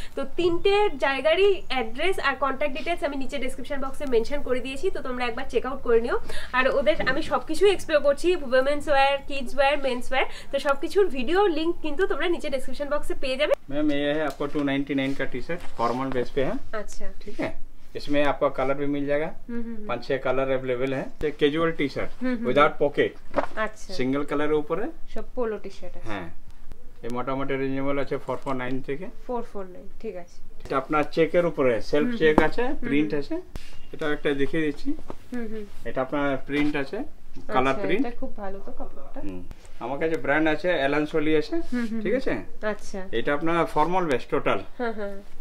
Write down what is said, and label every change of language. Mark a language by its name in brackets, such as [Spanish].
[Bangla] তো তিনটে জায়গারই অ্যাড্রেস আর contact details আমি নিচে ডিসক্রিপশন বক্সে মেনশন করে দিয়েছি, তো তোমরা একবার চেক আউট করে নিও। আর ওদের আমি সব কিছুই এক্সপ্লোর করছি, women's wire, kids wire, men's wire, তো সব কিছুর ভিডিও লিঙ্ক কিন্তু তোমরা নিচে ডিসক্রিপশন বক্সে পেয়ে যাবে। [Hindi] ম্যাম, এ হ্যায় আপকো ২৯৯ কা T shirt, formal base pay হ্যায়। [Bangla] আচ্ছা, [Hindi] ঠিক হ্যায়। इसमें आपका कलर भी मिल जाएगा, 5-6 कलर अवेलेबल है। Casual T shirt without pocket, single colour ऊपर है, सब पोलो टी शर्ट है। ये मोटा मोटा रिजनेबल है, 449 থেকে [Bangla] 449, ঠিক আছে। এটা আপনার চেকের উপরে সেলফ চেক আছে, প্রিন্ট আছে, এটা একটা দেখিয়ে দিচ্ছি। এটা আপনার প্রিন্ট আছে, কালার প্রিন্ট, এটা খুব ভালো তো কাপড়টা। আমার কাছে ব্র্যান্ড আছে, এলানসোলি আছে, ঠিক আছে। আচ্ছা, এটা আপনার ফর্মাল বেস টোটাল, হ্যাঁ হ্যাঁ,